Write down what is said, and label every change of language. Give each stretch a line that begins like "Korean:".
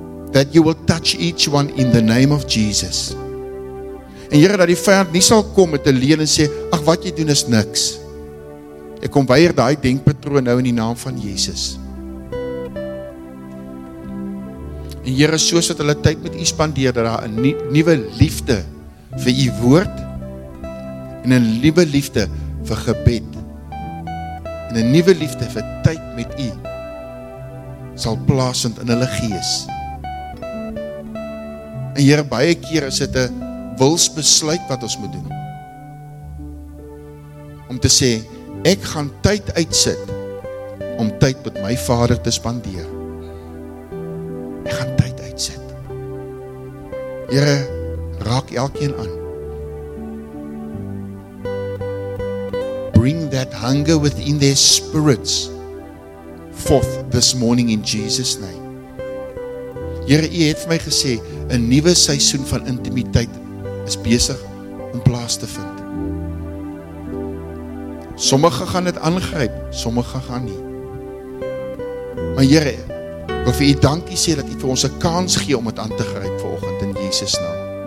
English: That you will touch each one in the name of Jesus.
Afrikaans: En Here, dat die vyand nie sal kom met 'n leuen en sê, ag wat jy doen is niks. Ek kom weier daai denkpatroon nou in die naam van Jesus. En Here, soos wat hulle tyd met u spandeer, dat daar 'n nuwe liefde vir u woord en 'n nuwe liefde vir gebed en 'n nuwe liefde vir tyd met u sal plaasvind in hulle gees. En Here, baie keer is dit 'n wilsbesluit wat ons moet doen. Om te sê, ek gaan tyd uitsit om tyd met my Vader te spandeer. Ek gaan tyd uitsit. Here, raak elkeen aan.
English: Bring that hunger within their spirits forth this morning in Jesus' name.
Afrikaans: Here, u het vir my gesê, 'n nuwe seisoen van intimiteit is besig om plaas te vind. Sommige gaan dit aangryp, sommige gaan nie. Maar Here, wil vir u dankie sê dat u vir ons 'n kans gee om dit aan te gryp vanoggend in Jesus naam.